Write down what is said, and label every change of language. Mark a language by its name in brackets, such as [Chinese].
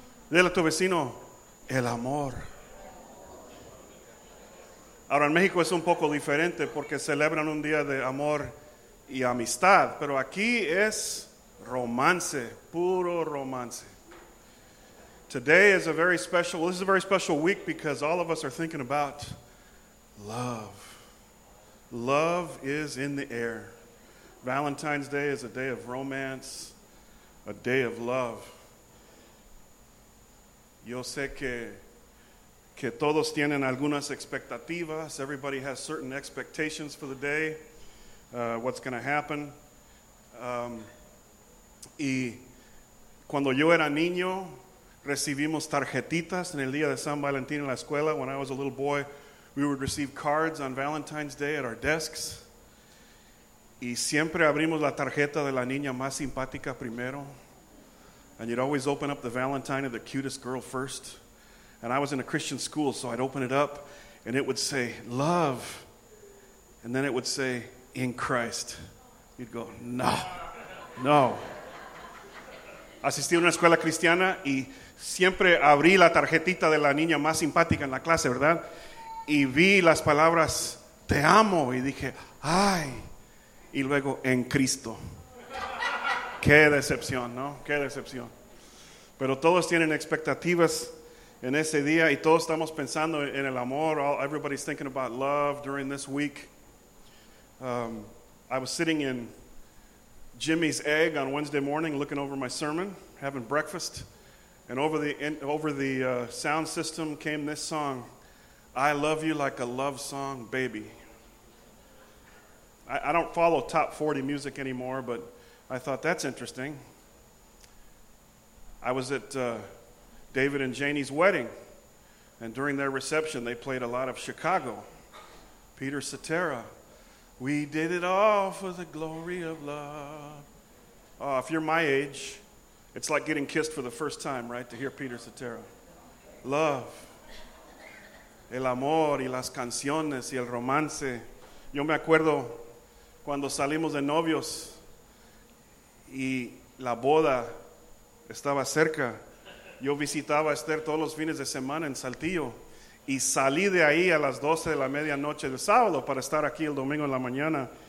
[Spanish] Dile a tu vecino, el amor. Ahora en México es un poco diferente porque celebran un día de amor y amistad, pero aquí es romance, puro romance. [English] Today is a very special, well, this is a very special week because all of us are thinking about love. Love is in the air. Valentine's Day is a day of romance, a day of love. [Spanish] Yo sé que todos tienen algunas expectativas. [English] Everybody has certain expectations for the day, what's going to happen. [Spanish] Y cuando yo era niño, recibimos tarjetitas en el día de San Valentín en la escuela. [English] When I was a little boy, we would receive cards on Valentine's Day at our desks. [Spanish] Y siempre abrimos la tarjeta de la niña más simpática primero. [English] And you'd always open up the Valentine of the cutest girl first. And I was in a Christian school, so I'd open it up, and it would say, love. And then it would say, in Christ. You'd go, no, no. [Spanish] Asistí a una escuela cristiana, y siempre abrí la tarjetita de la niña más simpática en la clase, ¿verdad? Y vi las palabras, te amo, y dije, ay. Y luego, en Cristo. Qué decepción, ¿no? Qué decepción. Pero todos tienen expectativas en ese día y todos estamos pensando en el amor. [English] Everybody's thinking about love during this week. I was sitting in Jimmy's Egg on Wednesday morning looking over my sermon, having breakfast. And over the sound system came this song, I Love You Like a Love Song, Baby. I don't follow top 40 music anymore, but I thought, that's interesting. I was at David and Janie's wedding, and during their reception, they played a lot of Chicago. Peter Cetera, we did it all for the glory of love. Oh, if you're my age, it's like getting kissed for the first time, right, to hear Peter Cetera. Love. [Spanish] El amor y las canciones y el romance. Yo me acuerdo cuando salimos de novios y la boda estaba cerca. Yo visitaba a Esther todos los fines de semana en Saltillo y salí de ahí a las 12 de la medianoche del sábado para estar aquí el domingo en la mañana.